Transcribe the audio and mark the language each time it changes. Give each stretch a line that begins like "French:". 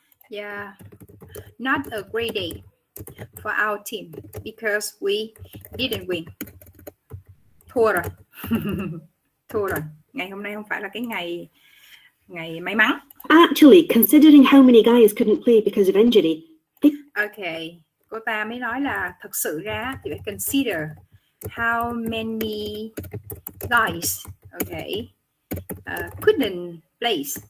English: Yeah, not a great day for our team because we didn't win.
Vietnamese: Thua rồi. Thua rồi. Ngày hôm nay không phải là cái ngày may mắn.
English: Actually, considering how many guys couldn't play because of injury.
Vietnamese: Okay, cô ta mới nói là thật sự ra thì phải
English: consider how many guys,
Vietnamese: okay,
English: couldn't play.